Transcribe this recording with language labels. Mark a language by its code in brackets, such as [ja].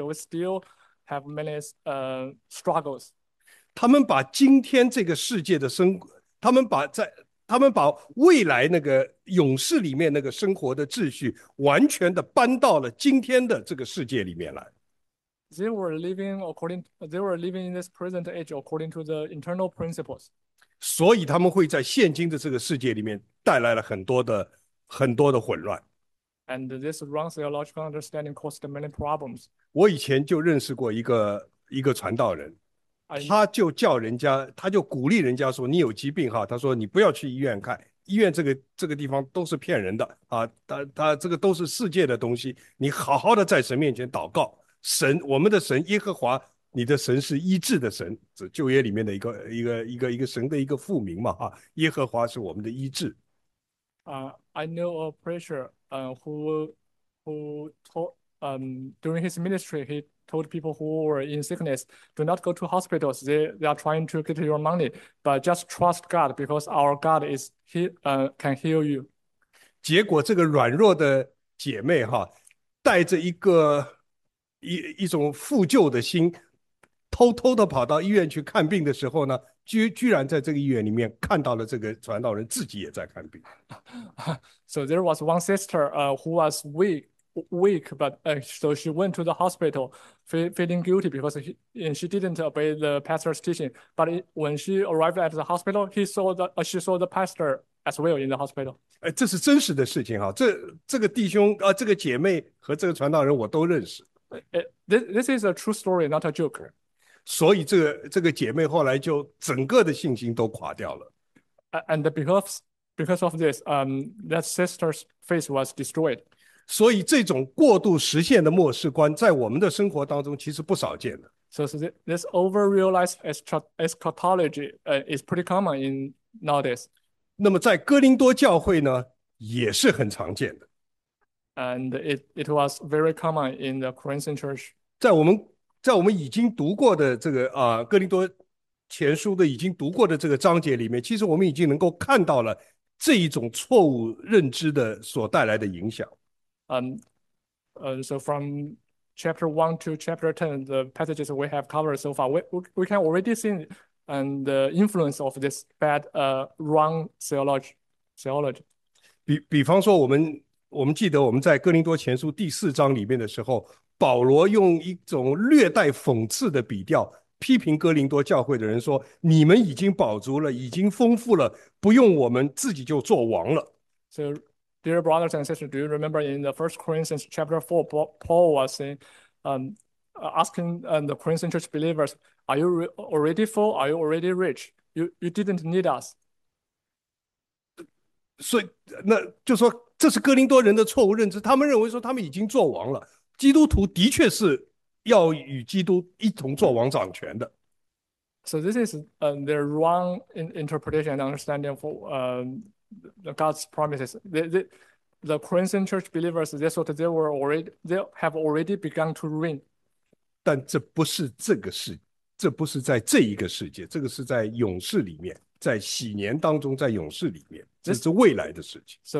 [en] We still have many struggles. [zh] 他们把今天这个世界的生，他们把在，他们把未来那个永世里面那个生活的秩序，完全的搬到了今天的这个世界里面来。 [en] They were living in this present age according to the internal principles. [zh] 所以他们会在现今的这个世界里面带来了很多的混乱。 [en] And this wrong theological understanding caused many problems. [zh] 我以前就认识过一个传道人，他就叫人家，他就鼓励人家说：“你有疾病哈，他说你不要去医院看，医院这个地方都是骗人的啊，他这个都是世界的东西，你好好的在神面前祷告，神，我们的神耶和华。 ”你的神是医治的神，这旧约里面的一个神的一个复名嘛，耶和华是我们的医治。 [en] I know a preacher who told during his ministry he told people who were in sickness, do not go to hospitals. They are trying to get your money, but just trust God because our God is he can heal you. [zh] 结果这个软弱的姐妹带着一种负疚的心。偷偷的跑到医院去看病的时候呢，居然在这个医院里面看到了这个传道人自己也在看病。 [en] So there was one sister who was weak, but so she went to the hospital feeling guilty because she didn't obey the pastor's teaching. But when she arrived at the hospital, she saw the pastor as well in the hospital. [zh] 哎，这是真实的事情哈，这个弟兄这个姐妹和这个传道人我都认识。 [en] This is a true story, not a joke. [zh] 所以这个姐妹后来就整个的信心都垮掉了。 [en] And because of this, that sister's face was destroyed. [zh] 所以这种过度实现的末世观，在我们的生活当中其实不少见的。 [en] So this over-realized eschatology, is pretty common in nowadays. [zh] 那么在哥林多教会呢，也是很常见的。 [en] And it was very common in the Corinthian church. [zh] 在我们已经读过的这个哥林多前书的已经读过的这个章节里面，其实我们已经能够看到了这一种错误认知的所带来的影响。 [en] So from chapter 1 to chapter 10, the passages we have covered so far, we can already see the influence of this bad, wrong theology. [zh] 比方说，我们记得我们在哥林多前书第四章里面的时候，保罗用一种略带讽刺的笔调批评哥林多教会的人说：“你们已经饱足了，已经丰富了，不用我们自己就做王了。 [en] So, dear brothers and sisters, do you remember in the First Corinthians chapter 4, Paul was saying, asking the Corinthian church believers, "Are you already full? Are you already rich? You didn't need us." [zh] ”所以，那就说这是哥林多人的错误认知，他们认为说他们已经做王了。基督徒的确是要与基督一同作王掌权的。 [en] So this is their wrong interpretation and understanding for God's promises. The Corinthian church believers, they thought they have already begun to reign. [zh] 但这不是这个世，这不是在这一个世界，这个是在永世里面，在禧年当中，在永世里面，这是未来的事情。